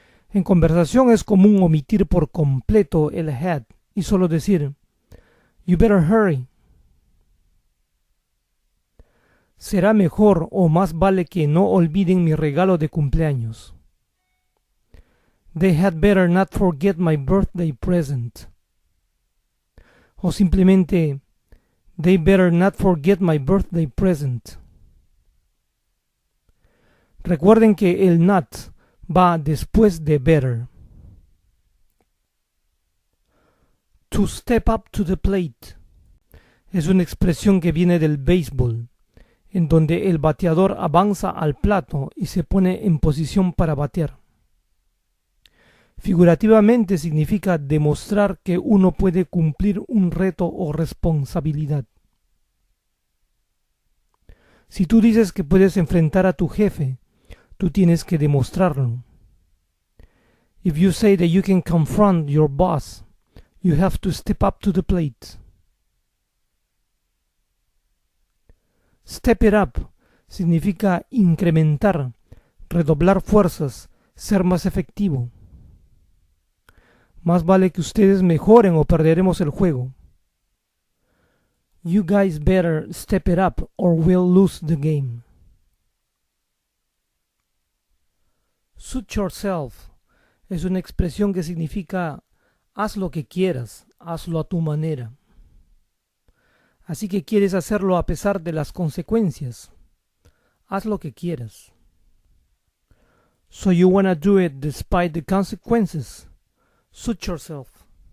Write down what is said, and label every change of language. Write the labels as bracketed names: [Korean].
[Spanish] En conversación es común omitir por completo el had y solo decir [English] you better hurry. [Spanish] Será mejor o más vale que no olviden mi regalo de cumpleaños. [English] They had better not forget my birthday present. [Spanish] O simplemente, [English] they better not forget my birthday present. [Spanish] Recuerden que el not va después de better. [English] To step up to the plate [Spanish] es una expresión que viene del béisbol, en donde el bateador avanza al plato y se pone en posición para batear. Figurativamente significa demostrar que uno puede cumplir un reto o responsabilidad. Si tú dices que puedes enfrentar a tu jefe, tú tienes que demostrarlo. [English] If you say that you can confront your boss, you have to step up to the plate. Step it up [Spanish] significa incrementar, redoblar fuerzas, ser más efectivo. Más vale que ustedes mejoren o perderemos el juego. [English] You guys better step it up or we'll lose the game. Suit yourself [Spanish] es una expresión que significa haz lo que quieras, hazlo a tu manera. Así que quieres hacerlo a pesar de las consecuencias. Haz lo que quieras. [English] So you wanna do it despite the consequences. Suit yourself.